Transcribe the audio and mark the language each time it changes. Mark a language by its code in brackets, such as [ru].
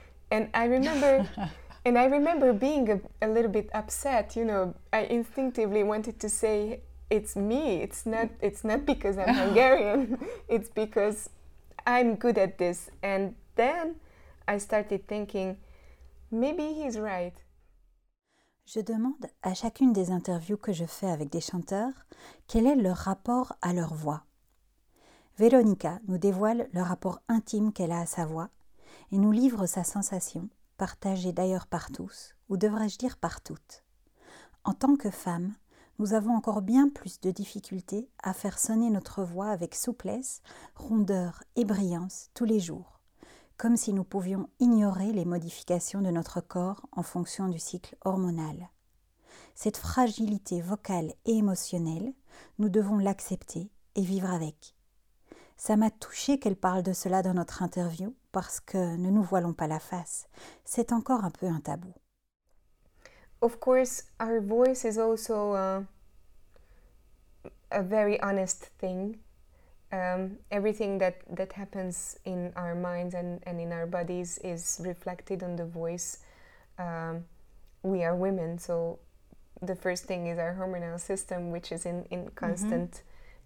[en] And I remember and I remember being a little bit upset, you know. I instinctively wanted to say, it's me, it's not because I'm Hungarian, it's because I'm good at this. And then I started thinking, maybe he's right. [fr] Je demande à chacune des interviews que je fais avec des chanteurs quel est leur rapport à leur voix. Veronica nous dévoile le rapport intime qu'elle a à sa voix et nous livre sa sensation, partagée d'ailleurs par tous, ou devrais-je dire par toutes. En tant que femme, nous avons encore bien plus de difficultés à faire sonner notre voix avec souplesse, rondeur et brillance tous les jours, comme si nous pouvions ignorer les modifications de notre corps en fonction du cycle hormonal. Cette fragilité vocale et émotionnelle, nous devons l'accepter et vivre avec. Ça m'a touchée qu'elle parle de cela dans notre interview, parce que, ne nous voilons pas la face, c'est encore un peu un tabou. [en] Of course, our voice is also a very honest thing. Everything that happens in our minds and in our bodies is reflected on the voice. We are women, so the first thing is our hormonal system, which is in constant mm-hmm.